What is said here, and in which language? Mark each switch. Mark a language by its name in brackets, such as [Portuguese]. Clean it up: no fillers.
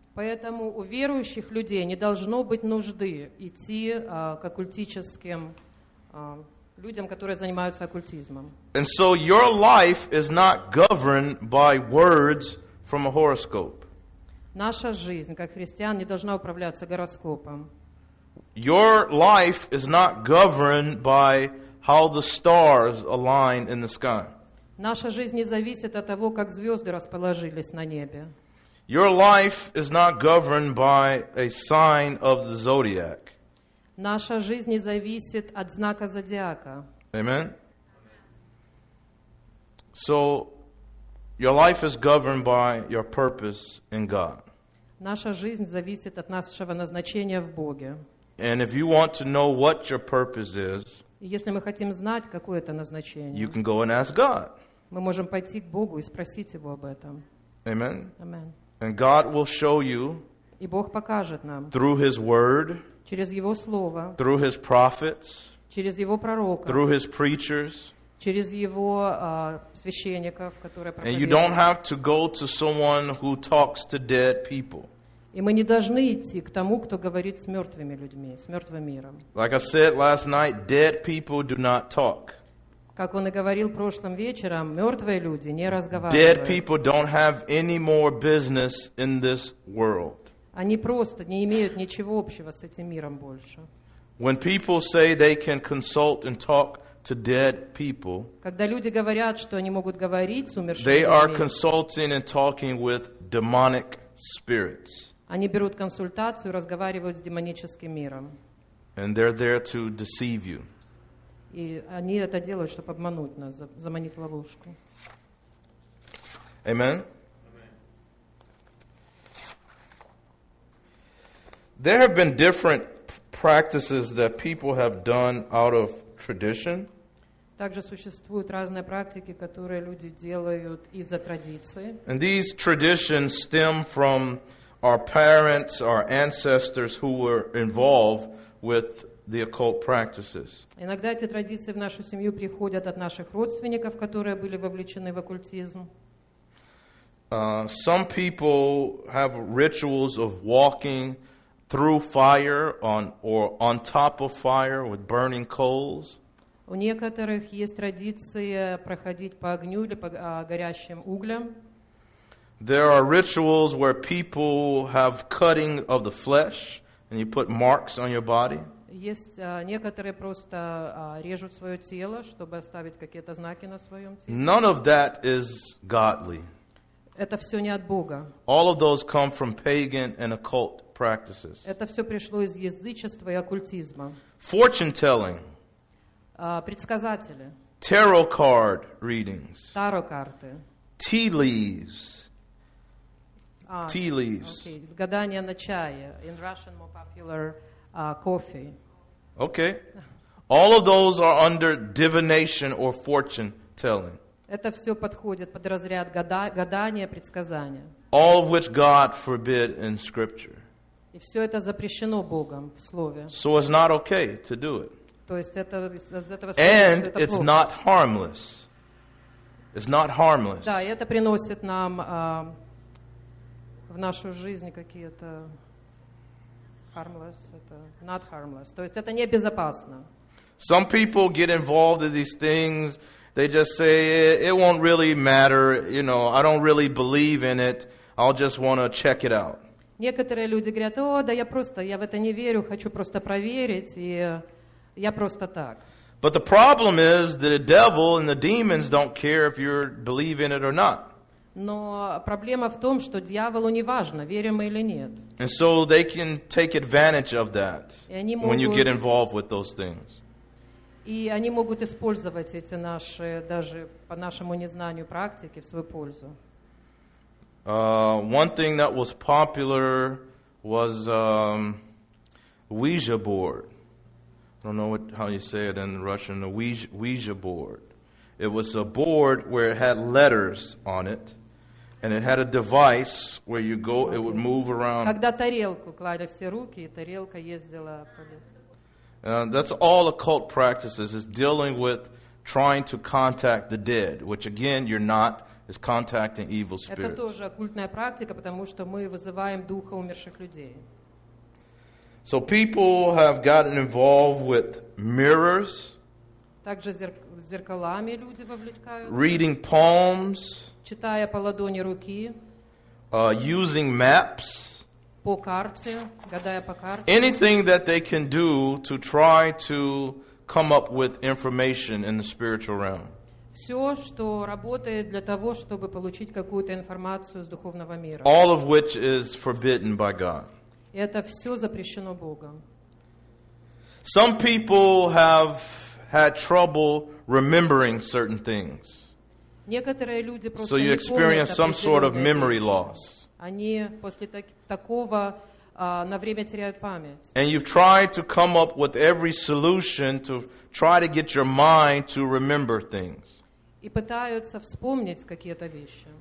[Russian] Поэтому у верующих людей не должно быть нужды идти к оккультическим людям, которые занимаются оккультизмом. [English] And so your life is not governed by words from a horoscope. [Russian] Наша жизнь как христиан не должна управляться гороскопом. [English] Your life is not governed by how the stars align in the sky. [Russian] Наша жизнь не зависит от того, как звезды расположились на небе. [English] Your life is not governed by a sign of the zodiac. [Russian] Наша жизнь не зависит от знака зодиака. [English] Amen. So, your life is governed by your purpose in God. [Russian] Наша жизнь зависит от нашего назначения в Боге. [English] And if you want to know what your purpose is, [Russian] если мы хотим знать, какое это назначение, [English] you can go and ask God. [Russian] Мы можем пойти к Богу и спросить Его об этом. [English] Amen. Amen. And God will show you. [Russian] И Бог покажет нам. [English] Through His Word. [Russian] Через Его Слово. [English] Through His prophets. [Russian] Через Его пророка. [English] Through His preachers. [Russian] Через Его священников, которые проповедуют. [English] And you don't have to go to someone who talks to dead people. [Russian] И мы не должны идти к тому, кто говорит с мертвыми людьми, с мертвым миром. [English] Like I said last night, dead people do not talk. [Russian] Как он и говорил прошлым вечером, мертвые люди не разговаривают. [English] Dead people don't have any more business in this world. [Russian] Они просто не имеют ничего общего с этим миром больше. [English] When people say they can consult and talk to dead people, [Russian] когда люди говорят, что они могут говорить с умершими, [English] they are consulting and talking with demonic spirits. [Russian] Они берут консультацию, разговаривают с демоническим миром. [English] And they're there to deceive you. [Russian] И они это делают, чтобы обмануть нас, заманить в ловушку. [English] Amen. There have been different practices that people have done out of tradition. [Russian] Также существуют разные практики, которые люди делают из-за традиции. [English] And these traditions stem from our parents, our ancestors who were involved with the occult practices. [Russian] Иногда эти традиции в нашу семью приходят от наших родственников, которые были вовлечены в оккультизм. [English] Some people have rituals of walking through fire on top of fire with burning coals. [Russian] У некоторых есть традиция проходить по огню или по горящим углям. [English] There are rituals where people have cutting of the flesh and you put marks on your body. [Russian] Есть некоторые просто режут свое тело, чтобы оставить какие-то знаки на своем теле. [English] None of that is godly. [Russian] Это все не от Бога. [English] All of those come from pagan and occult practices. [Russian] Это все пришло из язычества и оккультизма. [English] Fortune telling. [Russian] Предсказатели. [English] Tarot card readings. [Russian] Таро карты. [English] Tea leaves. Tea leaves. Okay. [Russian] Гадание на чае. [English] In Russian, more popular coffee. Okay. All of those are under divination or fortune telling. [Russian] Это все подходит под разряд гадания, предсказания. [English] All of which God forbid in Scripture. [Russian] И все это запрещено Богом в Слове. [English] So it's not okay to do it. [Russian] То есть это из этого. [English] And it's not harmless. It's not harmless. [Russian] Да, и это приносит нам в нашу жизнь какие-то [English] harmless, [Russian] это [English] not harmless. [Russian] То есть это не безопасно. [English] Some people get involved in these things. They just say, it won't really matter, you know, I don't really believe in it, I'll just want to check it out. [Russian] Некоторые люди говорят, о, да я просто, я в это не верю, хочу просто проверить, и я просто так. [English] But the problem is, the devil and the demons don't care if you believe in it or not. [Russian] Но проблема в том, что дьяволу не важно, верим мы или нет. [English] And so they can take advantage of that when you get involved with those things. [Russian] И они могут использовать эти наши, даже по нашему незнанию, практики в свою пользу. [English] One thing that was popular was Ouija board. I don't know what, how you say it in Russian, the Ouija board. It was a board where it had letters on it, and it had a device where you go, it would move around. [Russian] Когда тарелку клали все руки, и тарелка ездила по лесу. [English] That's all occult practices is dealing with trying to contact the dead, which again you're not, is contacting evil spirits. [Russian] Это тоже оккультная практика, потому что мы вызываем духа умерших людей. [English] So people have gotten involved with mirrors. [Russian] Также зеркалами люди вовлекаются. [English] Reading palms. [Russian] Читая по ладони руки. [English] Using maps. [Russian] По карте, гадая по карте. [English] Anything that they can do to try to come up with information in the spiritual realm. [Russian] Все, что работает для того, чтобы получить какую-то информацию с духовного мира. [English] All of which is forbidden by God. [Russian] Это все запрещено Богом. [English] Some people have had trouble remembering certain things. [Russian] Некоторые люди просто не помнят. [English] So you experience some sort of memory loss. [Russian] Они после такого на время теряют память. [English] And you've tried to come up with every solution to try to get your mind to remember things. [Russian] И пытаются вспомнить какие-то вещи.